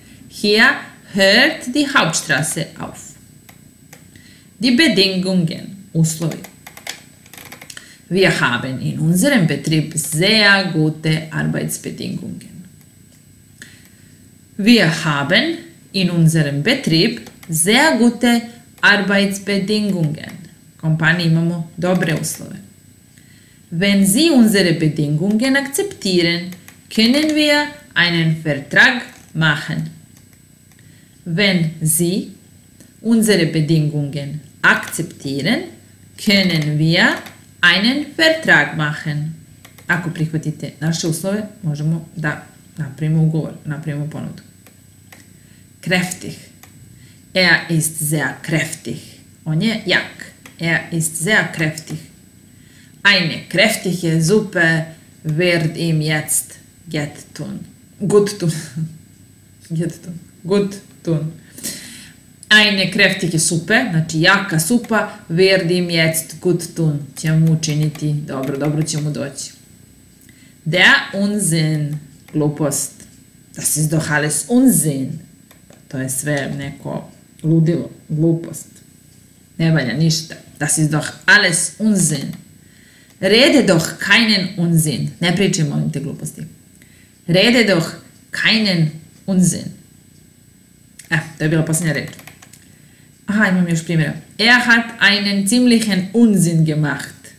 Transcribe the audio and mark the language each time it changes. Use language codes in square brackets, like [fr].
[de] Hier hört die Hauptstraße auf. Die Bedingungen, uslovi. Wir haben in unserem Betrieb sehr gute Arbeitsbedingungen. Wir haben in unserem Betrieb sehr gute Arbeitsbedingungen. [sr] Kompanije imamo dobre uslove. [de] Wenn Sie unsere Bedingungen akzeptieren, können wir einen Vertrag machen. Wenn Sie unsere Bedingungen akzeptieren, können wir einen Vertrag machen. [sr] Ako prihvatite naše uslove, možemo da napravimo ugovor, napravimo ponudu. [de] Kräftig. Er ist sehr kräftig. [sr] On je jak. [de] Er ist sehr kräftig. Eine kräftige Suppe wird ihm jetzt gut tun. Gut tun. Eine kräftige Suppe, [sr] znači jaka supa, [de] wird ihm jetzt gut tun. [sr] Će mu učiniti dobro, dobro će mu doći. [de] Der Unsinn, [sr] glupost. [de] Das ist doch alles Unsinn. [sr] To je sve neko ludilo, glupost. Ne valja ništa. [de] Das ist doch alles Unsinn. Rede doch keinen Unsinn. [sr] Ne pričaj, molim te, gluposti. [de] Rede doch keinen Unsinn. [sr] To je bila posljednja reč. Aha, imam još primjera. [de] Er hat einen ziemlichen Unsinn gemacht.